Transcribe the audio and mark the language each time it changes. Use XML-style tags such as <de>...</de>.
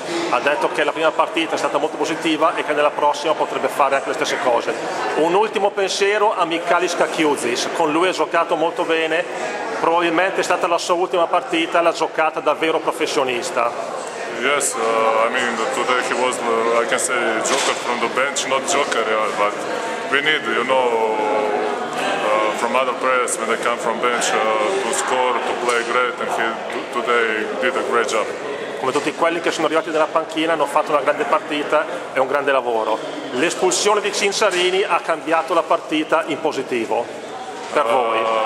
<it>Ha detto che la prima partita è stata molto positiva e che nella prossima potrebbe fare anche le stesse cose. Un ultimo pensiero a Michalis Kakiouzis, con lui ha giocato molto bene, probabilmente è stata la sua ultima partita, la giocata davvero professionista.</it> <en>Yes, I mean today he was, I can say, joker from the bench, not joker, but we need, you know, from other players when they come from bench to score, to play great, and he today did a great job.</en> <it>Come tutti quelli che sono arrivati dalla panchina, hanno fatto una grande partita e un grande lavoro. L'espulsione di Cinciarini ha cambiato la partita in positivo per voi.</it>